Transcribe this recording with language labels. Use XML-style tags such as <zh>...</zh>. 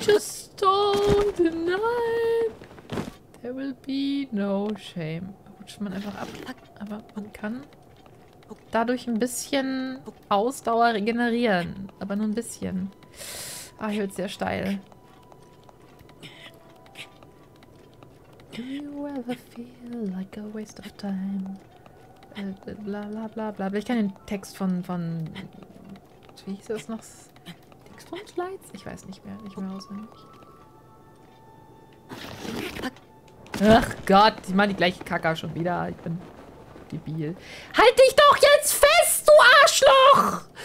<en>Just don't deny. There will be no shame.</en> <de>Rutscht man einfach ab. Aber man kann dadurch ein bisschen Ausdauer regenerieren. Aber nur ein bisschen. Ah, hier wird's sehr steil.</de> <en>Do you ever feel like a waste of time? Bla bla bla bla.</en> <de>Ich kann den Text von wie hieß das noch? Text von Slides? Ich weiß nicht mehr. Nicht mehr auswendig. Ach Gott, ich meine die gleiche Kacke schon wieder. Ich bin debil. Halt dich doch jetzt fest, du Arschloch!</de>